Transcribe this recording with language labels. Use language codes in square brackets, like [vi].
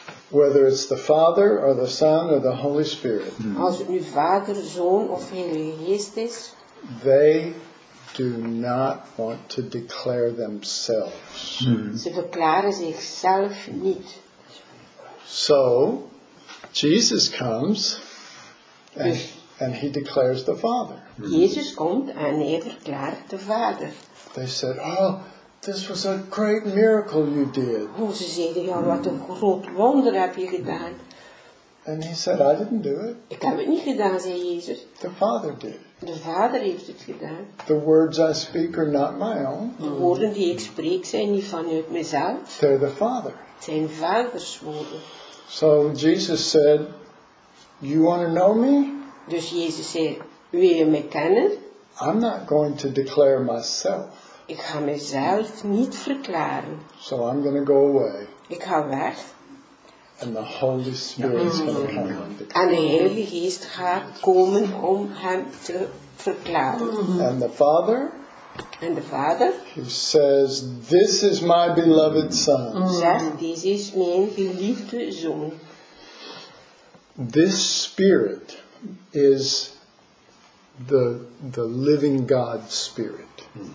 [en] Whether it's the Father or the Son or the Holy Spirit. [nl] Als het nu Vader, Zoon of Heilige Geest is. [en] They do not want to declare themselves. [nl] Ze verklaren zichzelf niet. [en] So, Jesus comes and he declares the Father. [nl] Jezus komt en hij verklaart de Vader. [en] They said, oh, this was a great miracle you did. [nl] Oh, ze zeiden, ja, wat een groot wonder heb je gedaan. [en] And he said, I didn't do it. [nl] Ik heb het niet gedaan, zei Jezus. [en] The Father did. [nl] De Vader heeft het gedaan. [en] The words I speak are not my own. [nl] De woorden die ik spreek zijn niet vanuit mezelf. [en] They're the Father. [nl] Zijn Vaders woorden. [en] So Jesus said, you want to know me? [nl] Dus Jezus zei, wil je me kennen? [en] I'm not going to declare myself. [nl] Ik ga mezelf niet verklaren. [en] So I'm going to go away. [nl] Ik ga weg. [en] And the Holy Spirit is going to come. [nl] En de Heilige Geest gaat komen om hem te verklaren. [en] And the Father. [nl] En de Vader. [en] He says, this is my beloved Son. [nl] Zegt, dit is mijn geliefde Zoon. [en] This Spirit is the living God spirit.